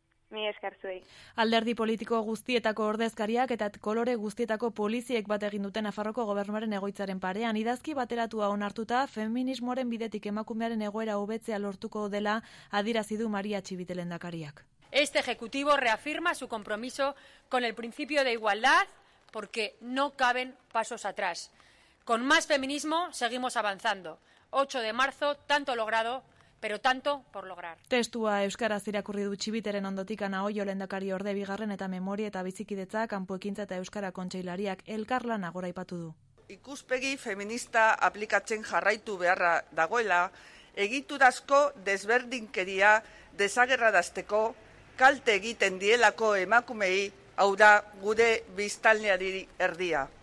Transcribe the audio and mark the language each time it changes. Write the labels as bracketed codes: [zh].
[eu] Mi esker zuei. Alderdi politiko guztietako ordezkariak eta kolore guztietako poliziek bat egin duten Nafarroko gobernuaren egoitzaren parean idazki bateratua onartuta feminismoaren bidetik emakumearen egoera hobetzea lortuko dela adierazi du Maria Txibite lehendakariak. [es] Este ejecutivo reafirma su compromiso con el principio de igualdad porque no caben pasos atrás. Con más feminismo seguimos avanzando. 8 de marzo, tanto logrado, pero tanto por lograr. [eu] Testua euskaraz irakurri du Txibiteren ondotik Anaoio lehendakari orde bigarren eta memoria eta bizikidetza kanpoekintza eta euskara kontseilariak elkarlana goraipatu du. Ikuspegi feminista aplikatzen jarraitu beharra dagoela, egiturazko desberdinkeria desagerrarazteko kalte egiten dielako emakumei, hau da gure biztanleari erdia.